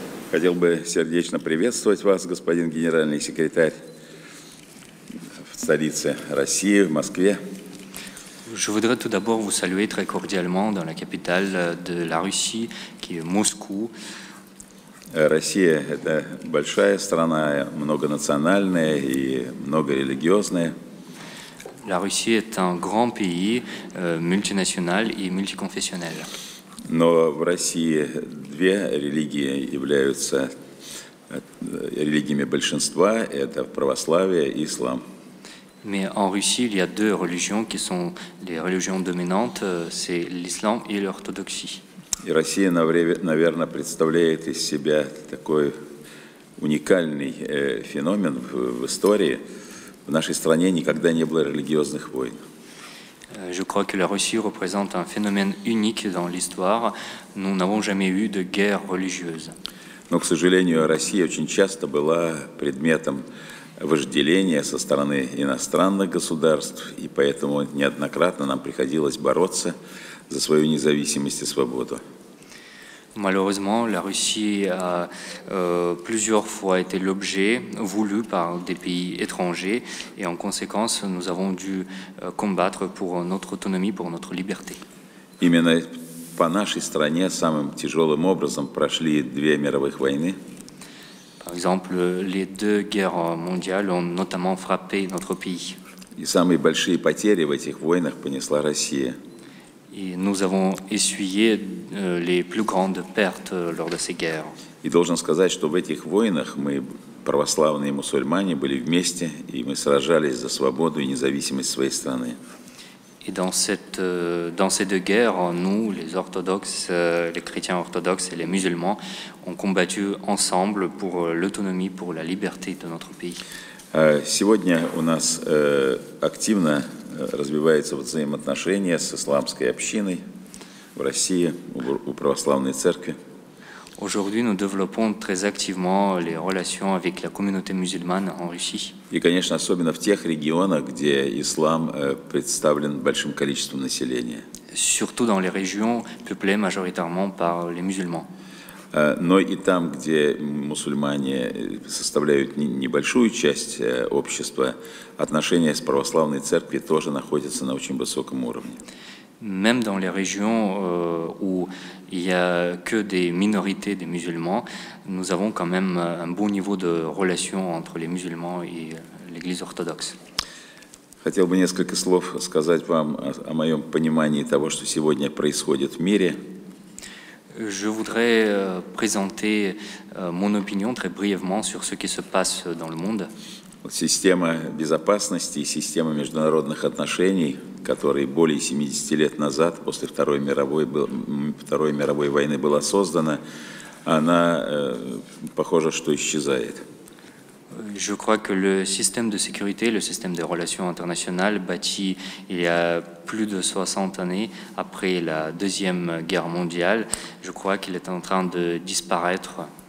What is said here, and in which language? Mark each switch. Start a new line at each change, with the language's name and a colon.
Russian: Хотел бы сердечно приветствовать вас, господин генеральный секретарь, в столице России, в Москве.
French: Je voudrais tout d'abord vous saluer très cordialement dans la capitale de la Russie, qui est Moscou.
Russian: Россия – это большая страна, многонациональная и многорелигиозная.
French: La Russie est un grand pays multinational et multiconfessionnel.
Russian: Но в России две религии являются религиями большинства – это православие и ислам.
French: Mais en Russie, il y a deux religions qui sont les religions dominantes, c'est l'islam et l'orthodoxie.
Russian: И Россия, наверное, представляет из себя такой уникальный феномен в истории. В нашей стране никогда не было религиозных войн.
French: Je crois que la Russie représente un phénomène unique dans l'histoire. Nous n'avons jamais eu de guerre religieuse.
Russian: Но, к сожалению, Россия очень часто была предметом вожделения со стороны иностранных государств, и поэтому неоднократно нам приходилось бороться за свою независимость и свободу.
French: Malheureusement, la Russie a plusieurs fois été l'objet voulu par des pays étrangers, et en conséquence, nous avons dû combattre pour notre autonomie, pour notre liberté.
Russian: Именно по нашей стране самым тяжелым образом прошли две мировых войны.
French: Par exemple, les deux guerres mondiales ont notamment frappé notre pays.
Russian: И самые большие потери в этих войнах понесла Россия.
French: Et nous avons essuyé les plus grandes pertes lors de ces guerres.
Russian: И должен сказать, что в этих войнах мы, православные мусульмане, были вместе, и мы сражались за свободу и независимость своей страны.
French: Et dans ces deux guerres, nous, les orthodoxes, les chrétiens orthodoxes et les musulmans, ont combattu ensemble pour l'autonomie, pour la liberté de notre pays.
Russian: Сегодня у нас активно развиваются взаимоотношения с исламской общиной в России, у православной церкви.
French: Aujourd'hui, nous développons très activement les relations avec la communauté musulmane en Russie.
Russian: И, конечно, особенно в тех регионах, где ислам представлен большим количеством населения.
French: Surtout dans les régions peuplées majoritairement par les musulmans.
Russian: Но и там, где мусульмане составляют небольшую часть общества, отношения с православной церкви тоже находятся на очень высоком уровне.
French: Même dans les régions où il y a que des minorités des musulmans, nous avons quand même un bon niveau de relations entre les musulmans et l'Église orthodoxe.
Russian: Хотел бы несколько слов сказать вам о моем понимании того, что сегодня происходит в мире.
French: Je voudrais présenter mon opinion très brièvement sur ce qui se passe dans le monde.
Russian: Система безопасности и система международных отношений, которые более 70 лет назад, после Второй мировой войны, была создана, она, похоже, что исчезает.
French: Je crois que le système de sécurité, le système de relations internationales bâti il y a plus de 60 années après la Deuxième Guerre mondiale, je crois qu'il est en train de disparaître.